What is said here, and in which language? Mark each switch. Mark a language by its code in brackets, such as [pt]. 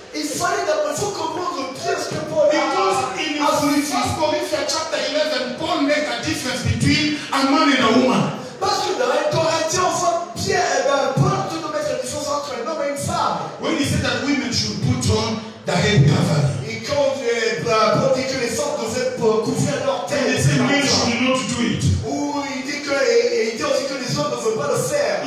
[fr] Il fallait d'abord comprendre bien ce que Paul a dit. Parce qu'en 1 Corinthiens chapitre 11, Paul met la différence entre un homme et une femme. Parce que dans 1 Corinthiens, Paul peut nous mettre la différence entre un homme et une femme. [en] When he said that women should put on the head covering. [fr] Et quand Paul dit que les femmes devaient couvrir leur tête. [en] He said men should not do it. [fr] Il dit aussi que les hommes ne veulent pas le faire.